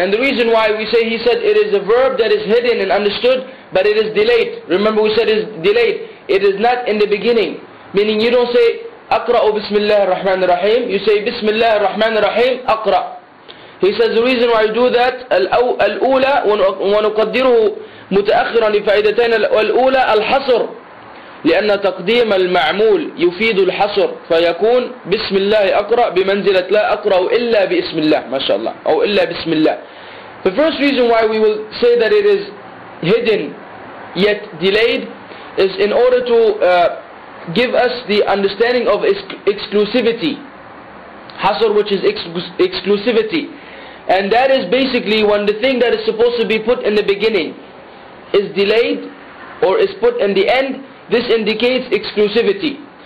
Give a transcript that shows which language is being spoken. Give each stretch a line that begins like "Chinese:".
English: And the reason why we say he said it is a verb that is hidden and understood, but it is delayed. Remember we said it is delayed. It is not in the beginning. Meaning you don't say,
Arabic: أقرأ بسم الله الرحمن الرحيم.
English: You say,
Arabic: بسم الله الرحمن الرحيم أقرأ.
English: He says, the reason why I do that,
Arabic: الأولى ونقدره متأخرا لفائدتين الأولى الحصر. لأن تقديم المعمول يفيد الحصر فيكون بسم الله أقرأ بمنزلة لا أقرأ إلا بسم الله ما شاء الله أو إلا بسم الله.
English: The first reason why we will say that it is hidden yet delayed is in order to give us the understanding of exclusivity. Hasr, which is exclusivity. And that is basically when the thing that is supposed to be put in the beginning is delayed or is put in the end, this indicates exclusivity.